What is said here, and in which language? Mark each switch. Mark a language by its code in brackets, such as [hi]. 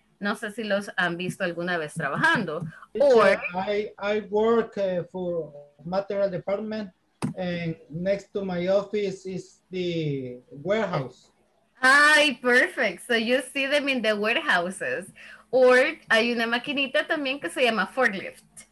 [es] No sé si los han visto alguna vez trabajando. [en] Or, I work for material department and next to my office is the warehouse. Ay, perfect. So you see them in the warehouses. [es] Or hay una maquinita también que se llama forklift.